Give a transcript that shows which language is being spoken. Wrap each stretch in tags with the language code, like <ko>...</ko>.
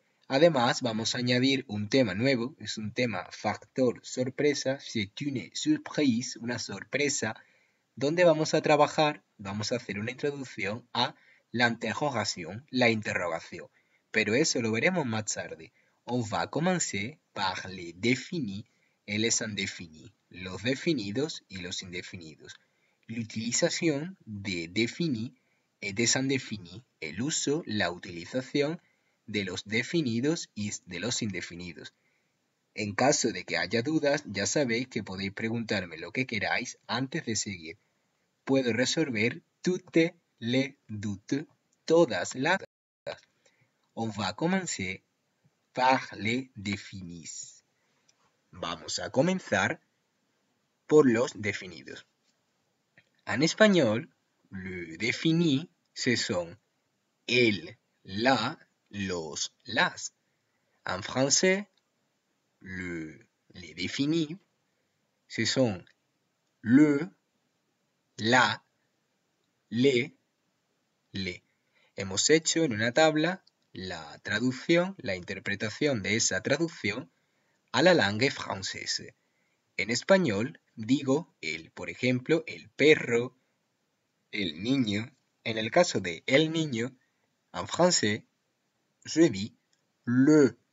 <es>Además, vamos a añadir un tema nuevo, es un tema factor sorpresa,</es> <fr>c'est une surprise,</fr> <es>una sorpresa, donde vamos a trabajar, vamos a hacer una introducción a la interrogación, pero eso lo veremos más tarde.</es> <fr>On va commencer par les définis et les indéfinis,</fr> <es>los definidos y los indefinidos.</es> <fr>L'utilisation de définis et des indéfinis,</fr> <es>el uso, la utilización de los definidos y de los indefinidos. En caso de que haya dudas, ya sabéis que podéis preguntarme lo que queráis antes de seguir. Puedo resolver</es> <fr>toutes les doutes,</fr> <es>todas las dudas.</es> <fr>On va commencer par les définis.</fr> <es>Vamos a comenzar por los definidos. En español,</es> <fr>le défini, ce sont el, la, los, las. En français, les définis, ce sont le, la, les.</fr> <es>Hemos hecho en una tabla la traducción, la interpretación de esa traducción a</es> <fr>la langue française.</fr> <es>En español digo el, por ejemplo, el perro, el niño. En el caso de el niño, en francés,</es> <fr>je dis le.</fr>